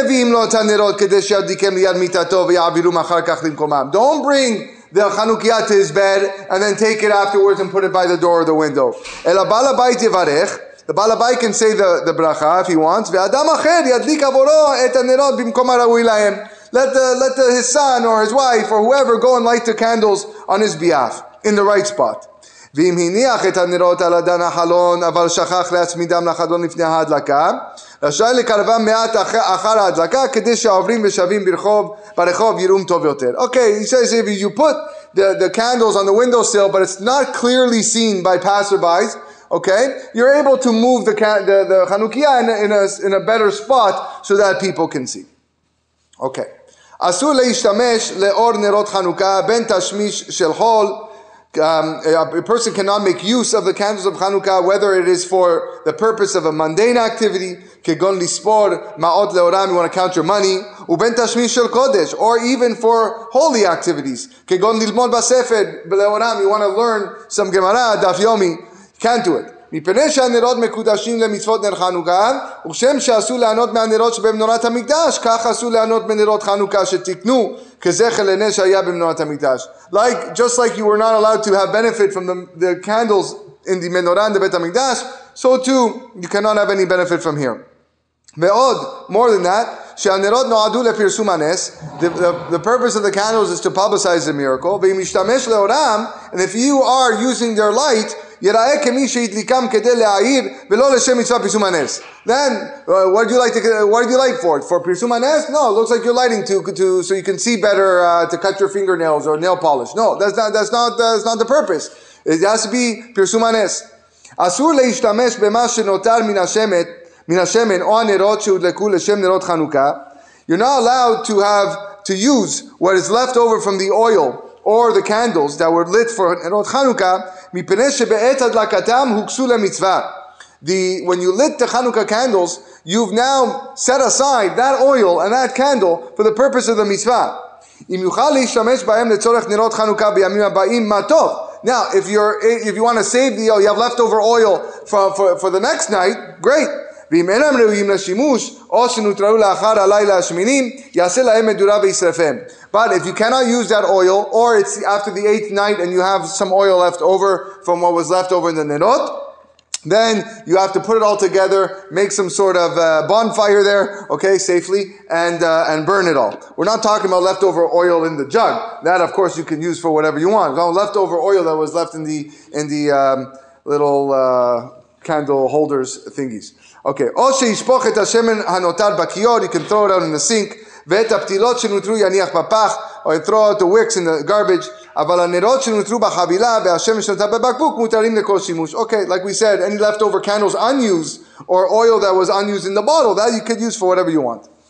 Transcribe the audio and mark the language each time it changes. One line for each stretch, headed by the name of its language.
English: Don't bring the Chanukiah to his bed, and then take it afterwards and put it by the door or the window. The Baal HaBayit yevarech. The Baal HaBayit can say the bracha if he wants.
Hebrew: Ve'adam acher yadlik avoro et hanerot bimkom ha-ra'ui lahem.
English: Let his son or his wife or whoever go and light the candles on his behalf in the right spot.
Hebrew: ואם הניח את הנרות על אדן החלון, אבל שכח להצמידם לחלון לפני ההדלקה, רשאי לקרבם מעט אחר ההדלקה, כדי שהעוברים ושבים ברחוב ירום טוב יותר.
English: Okay, he says if you put the candles on the windowsill, but it's not clearly seen by passerbys, okay, you're able to move the Chanukiah in a better spot so that people can see. Okay.
Hebrew: אסור להשתמש לאור נרות חנוכה בין תשמיש של חול.
English: A person cannot make use of the candles of Chanukah, whether it is for the purpose of a mundane activity,
Hebrew: כגון לספור מאות לאורם,
English: you want to count your money,
Hebrew: ובין תשמיש של קודש,
English: or even for holy activities,
Hebrew: כגון ללמוד בספר לאורם,
English: you want to learn some Gemara, דף יומי, can't do it.
Hebrew: מפני שהנרות מקודשים למצוות נר חנוכה, וכשם שעשו לענות מהנרות שבמנורת המקדש, כך עשו לענות מנרות חנוכה שתקנו, כזכר לנר שהיה במנורת המקדש.
English: Like, just like you were not allowed to have benefit from the candles in the menorah in the Beit HaMikdash, so too, you cannot have any benefit from here.
Hebrew: ועוד,
English: more than that,
Hebrew: שהנרות נועדו לפרסום הנס,
English: the purpose of the candles is to publicize the miracle,
Hebrew: ואם ישתמש לאורם,
English: and if you are using their light,
Hebrew: יראה כמי שהדליקם כדי להעיר ולא לשם מצווה פרסום הנס.
English: Then, what do you light for? For פרסום הנס? No, it looks like you're lighting to so you can see better to cut your fingernails or nail polish. No, that's not the purpose. It has to be פרסום הנס.
Hebrew: אסור להשתמש במה שנותר מן השמן או הנרות שהודלקו לשם נרות חנוכה.
English: You're not allowed to use what is left over from the oil or the candles that were lit for נרות חנוכה,
Hebrew: מפני שבעת הדלקתם הוקסו למצווה.
English: When you lit the Chanukah candles, you've now set aside that oil and that candle for the purpose of the mitzvah.
Hebrew: אם יוכל להשתמש בהם לצורך נרות חנוכה בימים הבאים, מה טוב.
English: Now, if you want to save the oil, you have leftover oil for the next night, great.
Hebrew: ואם אינם ראויים לשימוש, או שנותרו לאחר הלילה השמינים, יעשה להם מדורה וישרפם.
English: But if you cannot use that oil, or it's after the eighth night and you have some oil left over from what was left over in the Nerot, then you have to put it all together, make some sort of bonfire there, okay, safely, and burn it all. We're not talking about leftover oil in the jug. That, of course, you can use for whatever you want. No, leftover oil that was left in the little candle holders thingies.
Hebrew: Okay, או שישפוך את השמן הנותר בכיור,
English: you can throw it out in the sink,
Hebrew: ואת הפתילות שנותרו יניח בפח,
English: or throw out the wicks in the garbage,
Hebrew: אבל הנרות שנותרו בחבילה, והשמן שנותר בבקבוק, מותרים לכל שימוש.
English: Okay, like we said, any leftover candles unused, or oil that was unused in the bottle, that you could use for whatever you want.